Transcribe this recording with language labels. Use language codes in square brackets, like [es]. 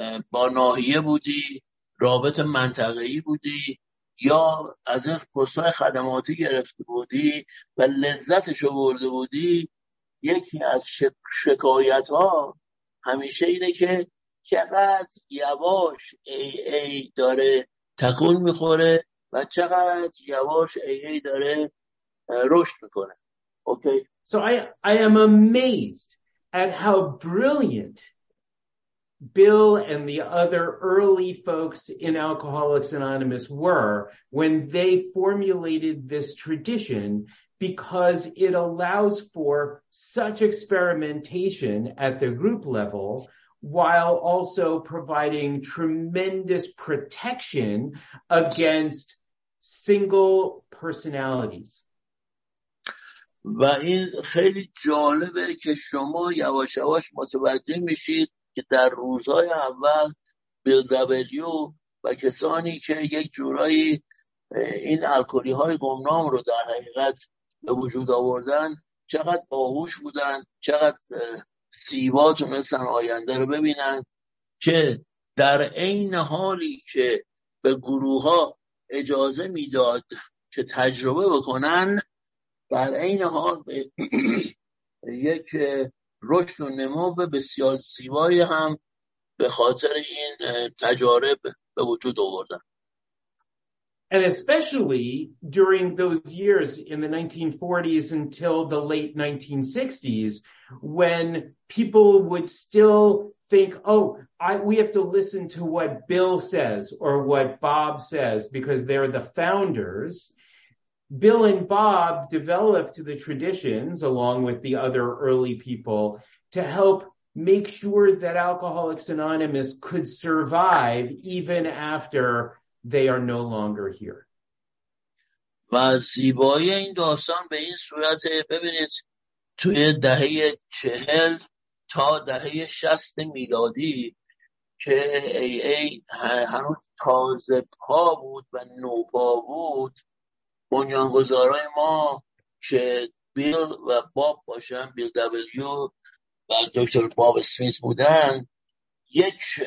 [fa] با ناحیه بودی، رابطه منطقه‌ای بودی یا از این پست‌های خدماتی گرفته بودی و لذتشو برده بودی، یکی از شکایت‌ها همیشه اینه که چقدر یواش ای داره تکون می‌خوره و چقدر یواش ای داره رشد می‌کنه. [en] Okay. So I am amazed at how brilliant Bill and the other early folks in Alcoholics Anonymous were when they formulated this tradition, because it allows for such experimentation at the group level while also providing tremendous protection against single personalities. [fa] و این خیلی جالبه که شما یواش یواش متوجه میشید که در روزهای اول بیل دبلیو و کسانی که یک جورایی این الکلی های گمنام رو در حقیقت به وجود آوردن چقدر باهوش بودن، چقدر زیبا تونستن آینده رو ببینن، که در این حالی که به گروه ها اجازه میداد که تجربه بکنن، در این حال به یک رشد و نمو به بسیار زیبایی هم به خاطر این تجارب به وجود آوردن. [en] And especially during those years in the 1940s until the late 1960s, when people would still think, we have to listen to what Bill says or what Bob says because they're the founders. Bill and Bob developed the traditions along with the other early people to help make sure that Alcoholics Anonymous could survive even after they are no longer here. [fa] و زیبایی این داستان به این صورت، ببینید، توی دهه 40 تا دهه 60 میلادی که AA هنوز تازه پا بود و نوپا بود، بنیانگذارای ما که بیل و باب باشن، بیل دبلیو و دکتر باب سمیت بودن، یک